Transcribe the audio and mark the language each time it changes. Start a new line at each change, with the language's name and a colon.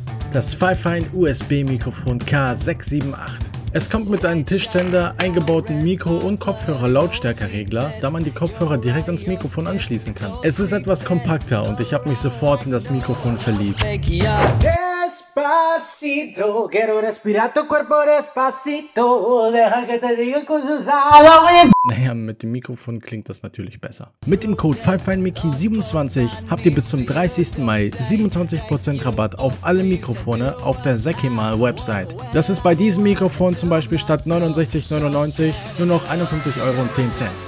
German: Das Pfeiffer USB-Mikrofon K678. Es kommt mit einem Tischständer, eingebauten Mikro- und Kopfhörer-Lautstärkeregler, da man die Kopfhörer direkt ans Mikrofon anschließen kann. Es ist etwas kompakter und ich habe mich sofort in das Mikrofon verliebt.
Spanish: Despacito, quiero respirar tu cuerpo despacito, deja que te diga cosas al oído.
German: Naja, mit dem Mikrofon klingt das natürlich besser. Mit dem Code FiveFineMickey27 habt ihr bis zum 30. Mai 27% Rabatt auf alle Mikrofone auf der Sekimal Website. Das ist bei diesem Mikrofon zum Beispiel statt 69,99 nur noch 51,10 €.